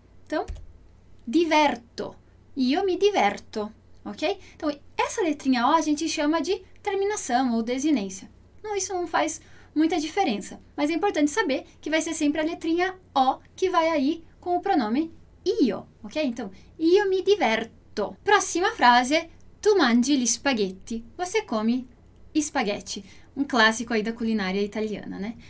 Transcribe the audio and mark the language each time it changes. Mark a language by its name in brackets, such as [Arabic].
[Italian] Então, diverto. Io mi diverto, ok? [Portuguese] Então, essa letrinha O a gente chama de terminação ou desinência. Não, isso não faz muita diferença, mas é importante saber que vai ser sempre a letrinha O que vai aí com o pronome io, ok? [Italian] Então, io mi diverto. [Portuguese] Próxima frase, [Italian] tu mangi gli spaghetti. [Portuguese] Você come spaghetti, um clássico aí da culinária italiana, né?